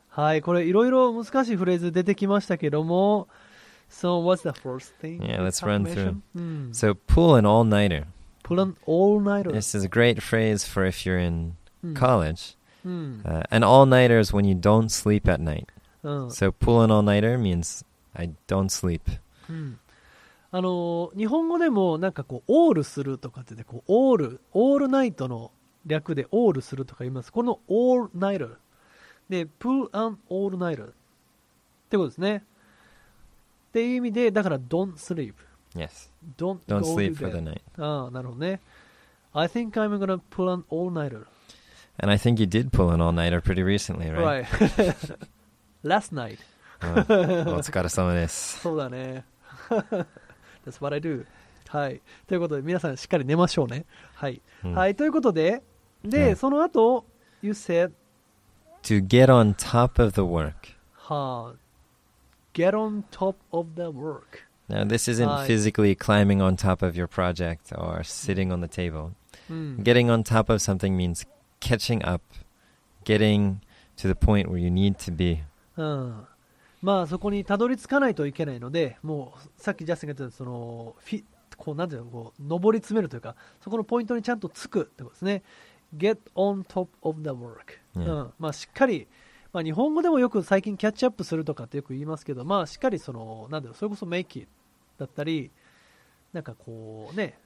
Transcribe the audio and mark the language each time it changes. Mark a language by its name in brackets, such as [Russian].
[Japanese] はい、これいろいろ難しいフレーズ出てきましたけども、 [English] So what's the first thing? Yeah, let's run through. So pull an all-nighter. Pull an all-nighter. This is a great phrase for if you're in college. An all-nighter is when you don't sleep at night. So pull an all-nighter means I don't sleep. [Japanese] 日本語でもなんかこうオールするとかってこうオールナイトの略でオールするとか言います。この all nighter で [English] pull an all nighter [Japanese] ってことですね。っていう意味でだから [English] don't sleep. Yes. Don't sleep for the night. [Japanese] ああ、なるほどね。 [English] I think I'm gonna pull an all nighter. And I think you did pull an all nighter pretty recently, right? Right. Last night. [Japanese] お疲れ様です。そうだね。 [English] That's what I do. [Japanese] はい、ということで皆さんしっかり寝ましょうね。はい、はい、ということで、で、その後 [English] you said to get on top of the work. はあ、get on top of the work. Now this isn't、はい、physically climbing on top of your project or sitting on the table.、うん、 getting on top of something means catching up, getting to the point where you need to be. [Japanese] まあそこにたどり着かないといけないので、もうさっきジャスティンが言ったそのこうなんていうのこう上り詰めるというか、そこのポイントにちゃんとつくってことですね。 [English] Get on top of the work、 yeah. [Japanese] まあしっかり、まあ、日本語でもよく最近キャッチアップするとかってよく言いますけど、まあしっかりそのなんていうの、それこそ make it だったり、なんかこうね、